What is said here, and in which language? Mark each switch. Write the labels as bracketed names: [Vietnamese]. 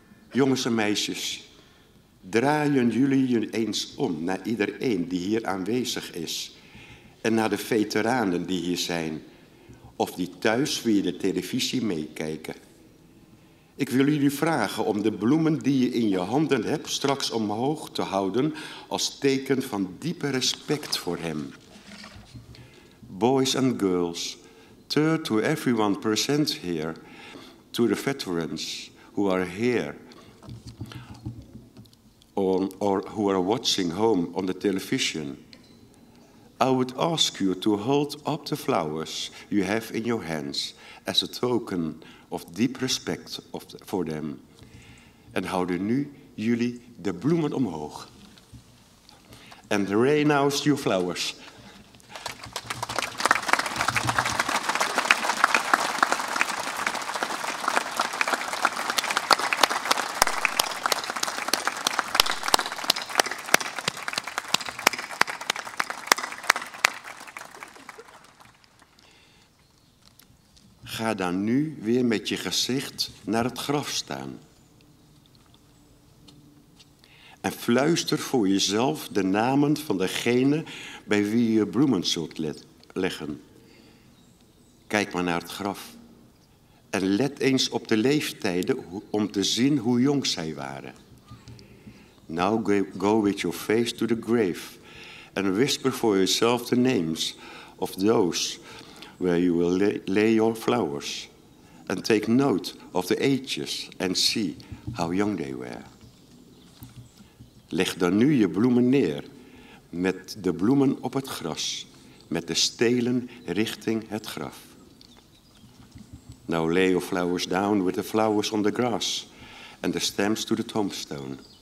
[Dutch] Jongens en meisjes, draaien jullie je eens om naar iedereen die hier aanwezig is en naar de veteranen die hier zijn, of die thuis via de televisie meekijken. Ik wil jullie vragen om de bloemen die je in je handen hebt straks omhoog te houden als teken van diepe respect voor hem. [English] Boys and girls, turn to everyone present here, to the veterans who are here or who are watching home on the television. I would ask you to hold up the flowers you have in your hands as a token of deep respect for them. [Dutch] En houden nu jullie de bloemen omhoog. [English] And rain out your flowers. [Dutch] Ga dan nu weer met je gezicht naar het graf staan. En fluister voor jezelf de namen van degene bij wie je bloemen zult leggen. Kijk maar naar het graf. En let eens op de leeftijden om te zien hoe jong zij waren. [English] Now go with your face to the grave. And whisper for yourself the names of those where you will lay your flowers and take note of the ages and see how young they were. [Dutch] Leg dan nu je bloemen neer met de bloemen op het gras, met de stelen richting het graf. [English] Now lay your flowers down with the flowers on the grass and the stems to the tombstone.